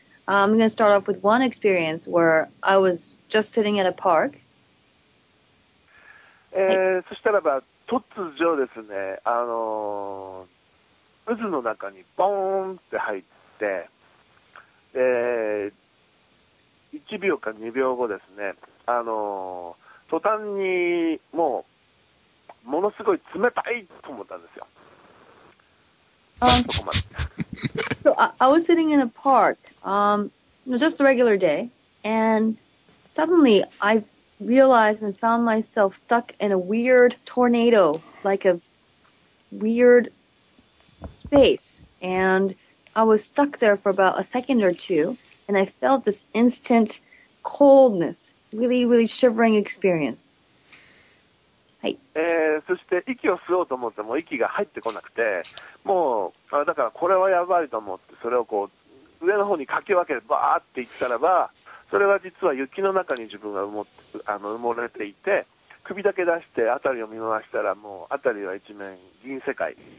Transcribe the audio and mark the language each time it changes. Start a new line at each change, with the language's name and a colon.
English: I'm going to start off with one experience where I was just sitting at a park.
Japanese: そしたらば、突如ですね、渦の中にボーンって入って、1秒か2秒後ですね、途端にもう、ものすごい冷たいと思ったんですよ。
English: So I was sitting in a park, just a regular day, and suddenly I realized and found myself stuck in a weird tornado, like a weird space, and I was stuck there for about a second or two, and I felt this instant coldness, really, really shivering experience.
Japanese: そして息を吸おうと思っても息が入ってこなくて、もうだからこれはやばいと思って、それをこう上の方にかき分けてバーっていったらば、それは実は雪の中に自分が埋もれていて、首だけ出して辺りを見回したらもう辺りは一面銀世界。